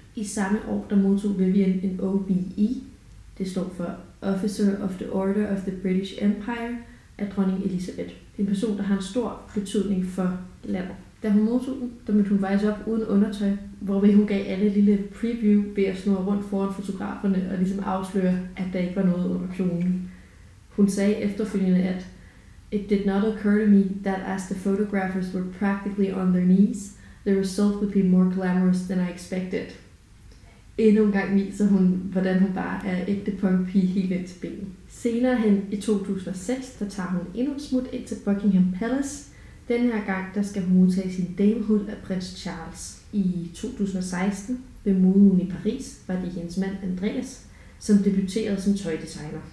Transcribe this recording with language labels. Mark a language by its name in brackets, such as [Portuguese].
[Danish] I samme år der modtog Vivian en OBE, det står for Officer of the Order of the British Empire, af dronning Elizabeth. En person, der har en stor betydning for landet. Da hun modtog den, der mødte hun faktisk op uden undertøj, hvorved hun gav alle et lille preview ved at snurre rundt foran fotograferne og ligesom afsløre, at der ikke var noget under kjolen. Hun sagde efterfølgende, at [English] "It did not occur to me that as the photographers were practically on their knees, the result would be more glamorous than I expected." [Danish] Endnu en gang viser hun, hvordan hun bare er ægte punk-pige helt ind til benen. Senere hen i 2006, der tager hun endnu et smut ind til Buckingham Palace. Denne her gang, der skal hun modtage sin damehood af prins Charles. I 2016, ved moden i Paris, var det hendes mand Andreas, som debuterede som tøjdesigner.